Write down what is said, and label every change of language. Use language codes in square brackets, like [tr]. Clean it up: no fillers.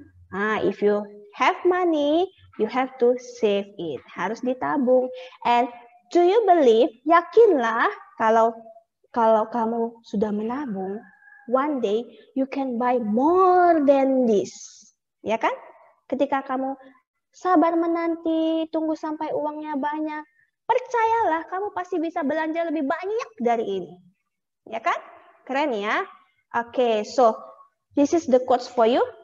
[en] Ah, if you have money, you have to save it. [id] Harus ditabung. [en] And do you believe? [id] Yakinlah kalau kamu sudah menabung. [en] One day you can buy more than this, ya kan? [id] Ketika kamu sabar menanti, tunggu sampai uangnya banyak, percayalah kamu pasti bisa belanja lebih banyak dari ini, ya kan? Keren ya? [en] Okay, so this is the quotes for you.